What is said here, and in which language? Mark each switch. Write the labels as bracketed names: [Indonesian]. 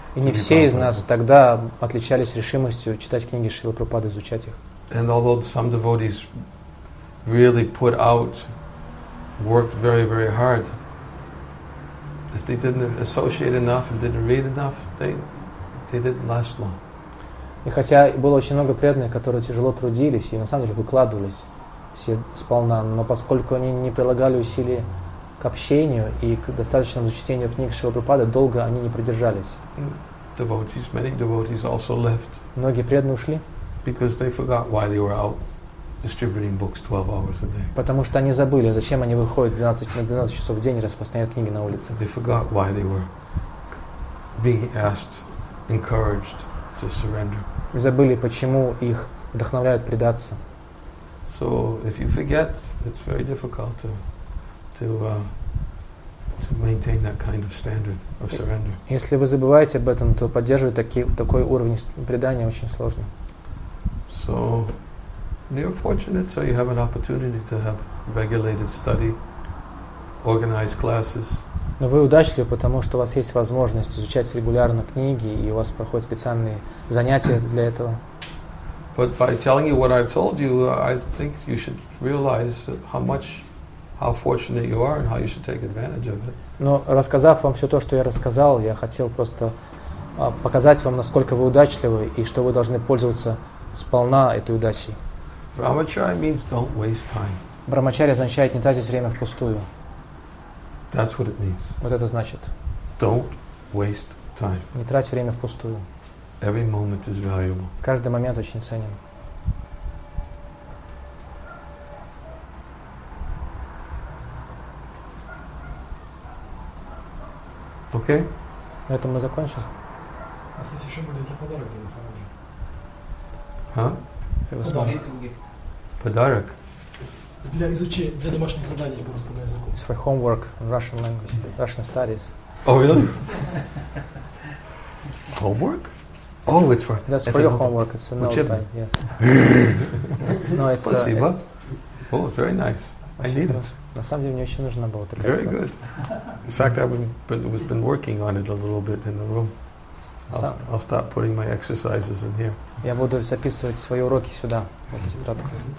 [Russian] И не все из нас тогда отличались решимостью читать книги Шрилы Прабхупады, изучать их. [English] And although some devotees really put out, worked very, very hard, if they didn't associate enough and didn't read enough, they didn't last long. [Russian] И хотя было очень много преданных, которые тяжело трудились и на самом деле выкладывались все сполна, но поскольку они не прилагали усилий к общению и к достаточному чтению книг Шрилы Прабхупады, долго они не продержались. [English] Devotees, many devotees also left. [Russian] Многие преданные ушли. [English] Because they forgot why they were out distributing books 12 hours a day. [Russian] Потому что они забыли, зачем они выходят 12 часов в день и распространяют книги на улице. [English] They forgot why they were being asked, encouraged to surrender. [Russian] И забыли, почему их вдохновляют предаться. [English] So if you forget, it's very difficult to maintain that kind of standard of surrender. [Russian] Если вы забываете об этом, то поддерживать такой уровень предания очень сложно. [English] So you're fortunate, so you have an opportunity to have regulated study, organized classes. [Russian] Но вы удачливы, потому что у вас есть возможность изучать регулярно книги, и у вас проходят специальные занятия для этого. [English] But by telling you what I've told you, I think you should realize how fortunate you are and how you should take advantage of it. [Russian] Но рассказав вам все то, что я рассказал, я хотел просто показать вам, насколько вы удачливы и что вы должны пользоваться сполна этой удачей. [English] Brahmacharya means don't waste time. [Russian] Брахмачарья означает не тратить время впустую. [English] That's what it means. [Russian] Вот это значит. [English] Don't waste time. [Russian] Не трать время впустую. [English] Every moment is valuable. [Russian] Каждый момент очень ценен. [English] Okay? [Russian] На этом мы закончим. А здесь еще маленький подарок для них. Huh? Подарок. Для изучения, для домашних заданий по русскому языку. [English] It's for homework in Russian language, Russian studies. Oh, really? Homework? Oh, it's for... That's for your homework. It's a notepad, yes. No, it's [Russian] спасибо. [English] Oh, it's very nice. I need it. [Russian] На самом деле, мне очень нужно было. [English] Very good. In fact, I've been working on it a little bit in the room. I'll start putting my exercises in here. [Russian] Я буду записывать свои уроки сюда, в эту тетрадку.